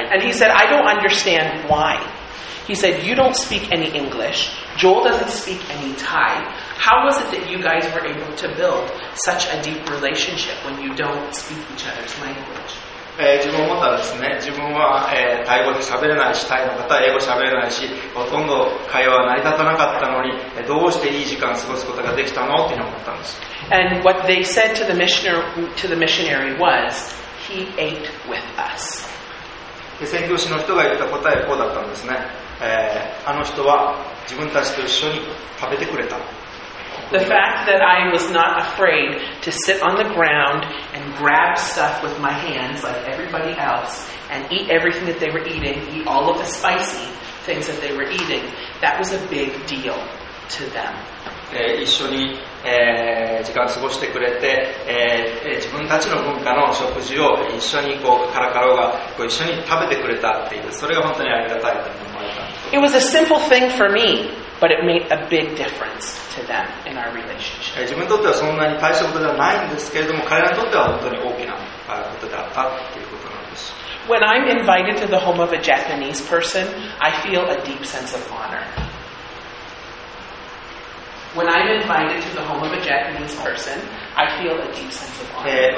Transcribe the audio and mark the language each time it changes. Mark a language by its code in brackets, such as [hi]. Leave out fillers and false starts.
[en] And he said, I don't understand why. He said, you don't speak any English. Joel doesn't speak any Thai. How was it that you guys were able to build such a deep relationship when you don't speak each other's language? [ja] 自分もたですね、自分は、タイ語で喋れないし、タイの方は英語喋れないし、ほとんど会話は成り立たなかったのに、どうしていい時間を過ごすことができたのっていうのを思ったんです。 [en] And what they said to the missionary was, he ate with us. [ja] 宣教師の人が言った答えはこうだったんですね。あの人は自分たちと一緒に食べてくれた。 [en] The fact that I was not afraid to sit on the ground and grab stuff with my hands like everybody else and eat everything that they were eating, eat all of the spicy things that they were eating, that was a big deal to them. [ja] 一緒に、時間過ごしてくれて、自分たちの文化の食事を一緒にこうカラカラがこう一緒に食べてくれたっていう、それが本当にありがたいと思われた。 [en] It was a simple thing for me. But it made a big difference to them in our relationship. [ja] 自分にとってはそんなに大したことではないんですけれども、彼らにとっては本当に大きなことであったということなんです。 [en] When I'm invited to the home of a Japanese person, I feel a deep sense of honor. When I'm invited to the home of a Japanese person, I feel a deep sense of honor.